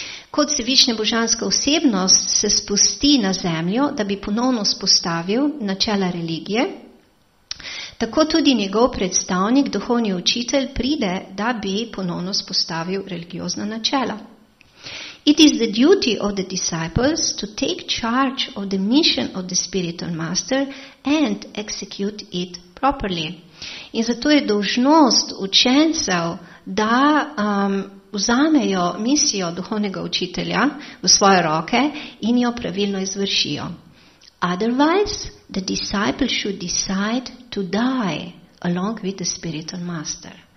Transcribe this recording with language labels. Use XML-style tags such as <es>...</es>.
<sl>Kot se višnja božanska osebnost se spusti na zemljo, da bi ponovno spostavil načela religije, tako tudi njegov predstavnik, duhovni učitelj, pride, da bi ponovno spostavil religiozna načela.</sl> <en>It is the duty of the disciples to take charge of the mission of the spiritual master and execute it properly.</en> <sl>In zato je dolžnost učencev, da vzamejo misijo duhovnega učitelja v svoje roke in jo pravilno izvršijo.</sl> <en>Otherwise, the disciple should decide to die along with the spiritual master.</en>